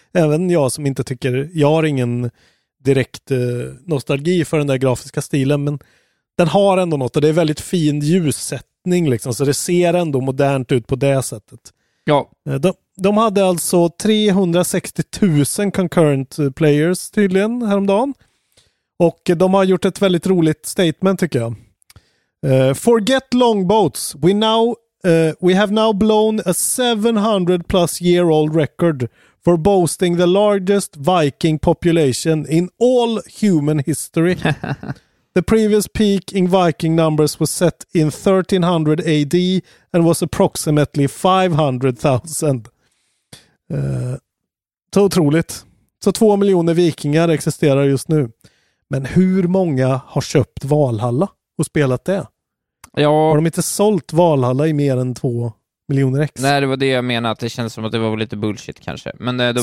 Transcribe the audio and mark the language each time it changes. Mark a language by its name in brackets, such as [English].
[Swedish] Även jag som inte tycker, jag har ingen direkt nostalgi för den där grafiska stilen, men den har ändå något, och det är väldigt fin ljussättning liksom, så det ser ändå modernt ut på det sättet. Ja. De hade alltså 360 000 concurrent players tydligen häromdagen. Och de har gjort ett väldigt roligt statement, tycker jag. [English] Forget longboats. We have now blown a 700 plus year old record for boasting the largest Viking population in all human history. The previous peak in Viking numbers was set in 1300 AD and was approximately 500,000. [Swedish] Så otroligt. Så 2 miljoner vikingar existerar just nu. Men hur många har köpt Valhalla och spelat det? Ja. Har de inte sålt Valhalla i mer än 2 miljoner ex? Nej, det var det jag menade. Det känns som att det var lite bullshit kanske. Men de...